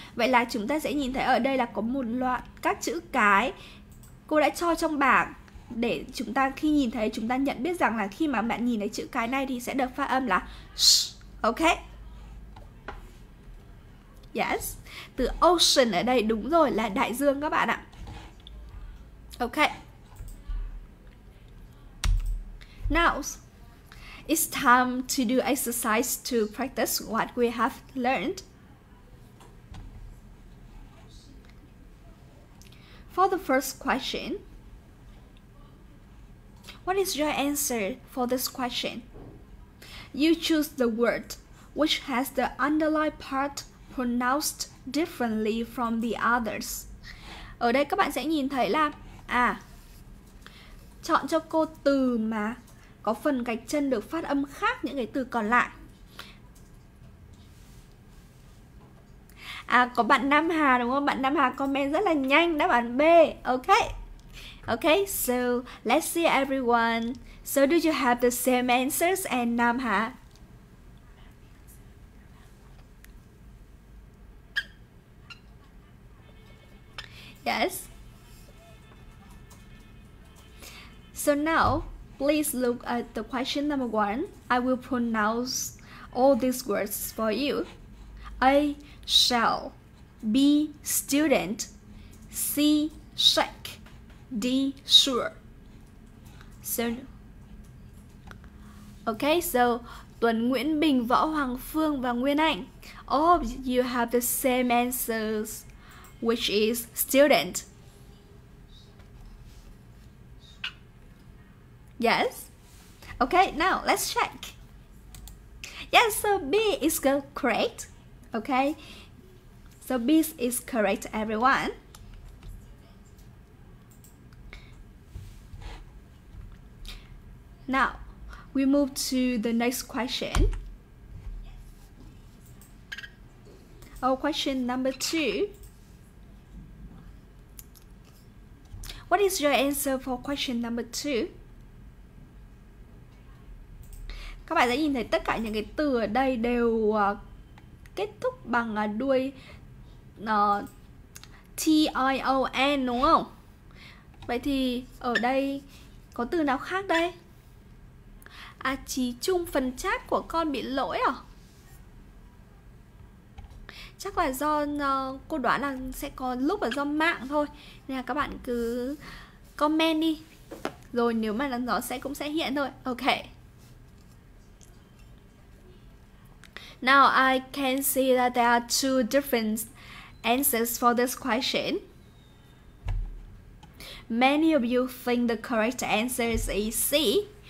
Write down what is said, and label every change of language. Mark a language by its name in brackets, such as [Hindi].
[Vietnamese] Vậy là chúng ta sẽ nhìn thấy ở đây là có một loạt các chữ cái cô đã cho trong bảng để chúng ta khi nhìn thấy chúng ta nhận biết rằng là khi mà bạn nhìn thấy chữ cái này thì sẽ được phát âm là sh. Ok. Yes. Từ ocean ở đây đúng rồi là đại dương các bạn ạ. [English] Ok. Now, it's time to do exercise to practice what we have learned. For the first question, What is your answer for this question? You choose the word which has the underlying part pronounced differently from the others. [Vietnamese] Ở đây các bạn sẽ nhìn thấy là à, chọn cho cô từ mà có phần gạch chân được phát âm khác những cái từ còn lại. À, có bạn Nam Hà đúng không? Bạn Nam Hà comment rất là nhanh, đáp án B. [English] Ok. Ok, so let's see everyone. So do you have the same answers and Nam Hà? Yes. So now, please look at the question number one. I will pronounce all these words for you. I shall. B student. C shake. D sure. So okay, so Tuấn Nguyễn Bình, Võ Hoàng Phương và Nguyên Anh. All of you have the same answers, which is student. Yes. Okay, now let's check. Yes, so B is correct. Okay. So B is correct, everyone. Now, we move to the next question. Oh, question number two. What is your answer for question number two? [Vietnamese] Các bạn đã nhìn thấy tất cả những cái từ ở đây đều kết thúc bằng đuôi T-I-O-N đúng không? Vậy thì ở đây có từ nào khác đây? À, chỉ chung phần chat của con bị lỗi à? Chắc là do cô đoán là sẽ có lúc là do mạng thôi. Nên là các bạn cứ comment đi. Rồi nếu mà nó sẽ cũng sẽ hiện thôi. [English] Ok. Now I can see that there are two different answers for this question. Many of you think the correct answer is C.